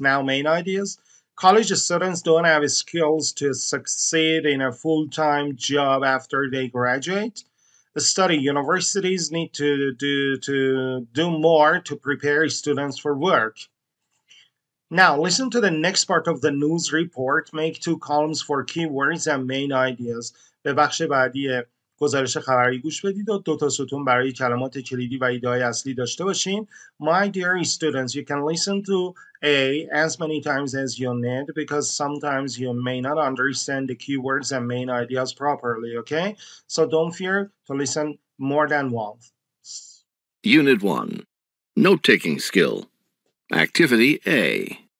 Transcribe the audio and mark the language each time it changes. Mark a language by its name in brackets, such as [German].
[English] Now main ideas, college students don't have skills to succeed in a full-time job after they graduate. Study, universities need to do more to prepare students for work. Now listen to the next part of the news report. Make two columns for keywords and main ideas. [Persian] به بخش بعدی گزارش خبری گوش بدید و دو تا ستون برای کلمات کلیدی و ایده های اصلی داشته باشین. [English] My dear students, you can listen to A as many times as you need because sometimes you may not understand the keywords and main ideas properly, okay? So don't fear to listen more than once. Unit 1. Note-taking skill. Activity A.